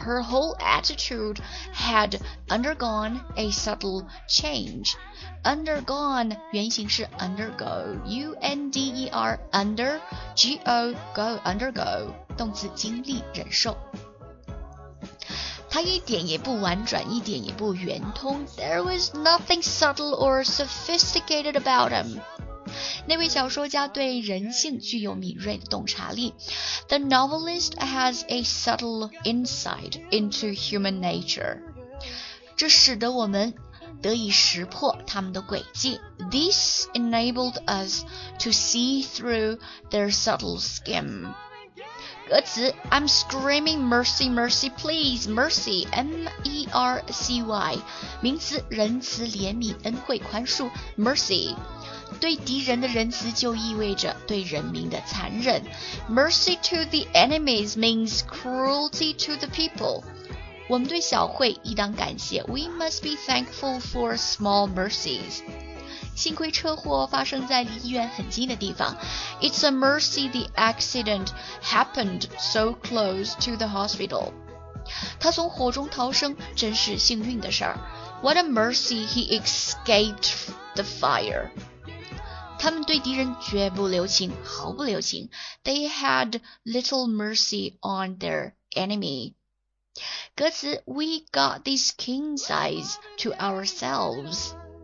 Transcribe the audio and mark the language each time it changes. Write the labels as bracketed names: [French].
[English] Her whole attitude had undergone a subtle change. Undergone, [Chinese] 原型是 [English] undergo, U-N-D-E-R, under, G-O, go, undergo, [Chinese] 动词经历、忍受。他一点也不婉转，一点也不圆通。 [English] There was nothing subtle or sophisticated about him. [Chinese] 那位小说家对人性具有敏锐的洞察力。 [English] The novelist has a subtle insight into human nature. [Chinese] 这使得我们得以识破他们的诡计。 [English] This enabled us to see through their subtle scheme. [Chinese] 歌词 [English] I'm screaming mercy, mercy, please, mercy, [Chinese] M-E-R-C-Y 名词仁慈怜悯恩惠宽恕 mercy 对敌人的仁慈就意味着对人民的残忍 [English] mercy to the enemies means cruelty to the people [Chinese] 我们对小惠亦当感谢 [English] we must be thankful for small mercies [Chinese] 幸亏车祸发生在离医院很近的地方。 [English] It's a mercy the accident happened so close to the hospital. [Chinese] 他从火中逃生真是幸运的事儿。 [English] What a mercy he escaped the fire. [Chinese] 他们对敌人绝不留情，毫不留情。 [English] They had little mercy on their enemy. [Chinese] 歌词 [English] We got this king's eyes to ourselves.